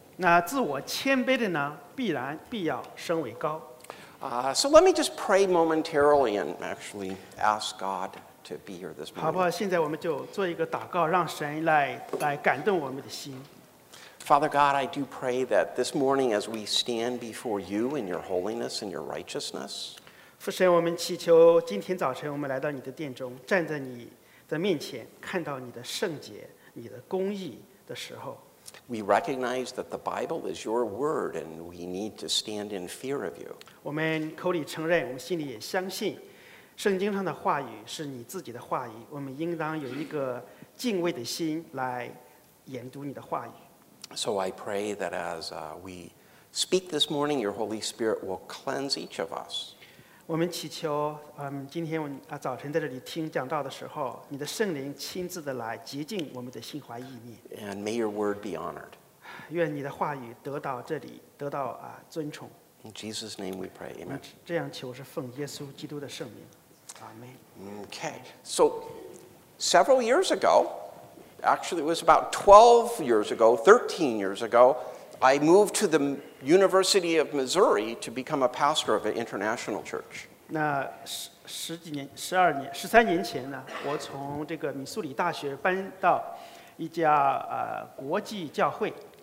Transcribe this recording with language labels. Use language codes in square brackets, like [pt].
[zh] 那自我谦卑的呢，必要升为高。 [en] So let me just pray momentarily and actually ask God. To be here this morning. [zh] 好不好？现在我们就做一个祷告，让神来感动我们的心。 [en] Father God, I do pray that this morning, as we stand before you in your holiness and your righteousness, [zh] 父神，我们祈求今天早晨我们来到你的殿中，站在你的面前，看到你的圣洁、你的公义的时候。 [en] We recognize that the Bible is your word and we need to stand in fear of you. [zh] 我们口里承认，我们心里也相信，圣经上的话语是你自己的话语，我们应当有一个敬畏的心来研读你的话语。 [en] So I pray that as we speak this morning, your Holy Spirit will cleanse each of us. [zh] 我们祈求，今天早晨在这里听讲道的时候，你的圣灵亲自的来洁净我们的心怀意念。 [en] And may your word be honored. [zh] 愿你的话语得到这里，得到尊崇。 [en] In Jesus' name we pray, amen. [zh] 这样求是奉耶稣基督的圣名。 [en] Amen. Okay, so several years ago, actually it was about 12 years ago, 13 years ago, I moved to the University of Missouri to become a pastor of an international church. [zh] 那 十三年前呢，我从这个密苏里大学搬到一家国际教会。